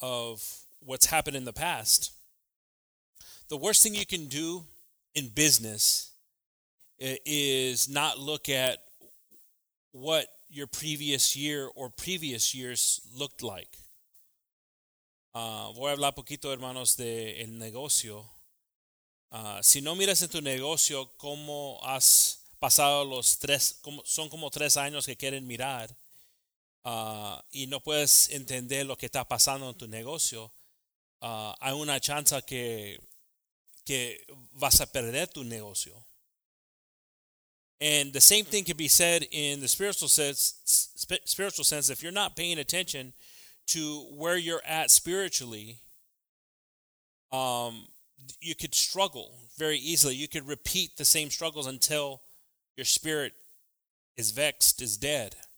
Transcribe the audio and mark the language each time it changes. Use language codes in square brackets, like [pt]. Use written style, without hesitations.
[en] of what's happened in the past. The worst thing you can do in business is not look at what your previous year or previous years looked like. [es] Voy a hablar poquito, hermanos, de el negocio. Si no miras en tu negocio cómo has pasado los tres, como, son como tres años que quieren mirar, y no puedes entender lo que está pasando en tu negocio, hay una chance que vas a perder tu negocio. [en] And the same thing can be said in the spiritual sense, if you're not paying attention to where you're at spiritually, you could struggle very easily. You could repeat the same struggles until your spirit is vexed, is dead.